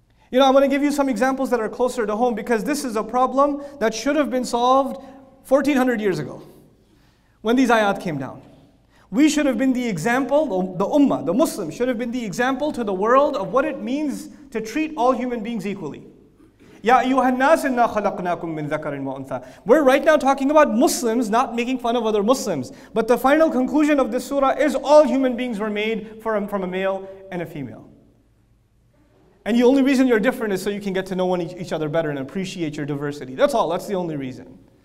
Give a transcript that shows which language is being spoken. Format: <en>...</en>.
<en>You know, I'm going to give you some examples that are closer to home because this is a problem that should have been solved 1400 years ago when these ayat came down. We should have been the example, the ummah, the Muslim, should have been the example to the world of what it means to treat all human beings equally.</en> <ar>يا أيها الناس إنا خلقناكم من ذكر وأنثى.</ar> <en>We're right now talking about Muslims, not making fun of other Muslims. But the final conclusion of this surah is all human beings were made from a male and a female. And the only reason you're different is so you can get to know each other better and appreciate your diversity. That's all. That's the only reason.</en>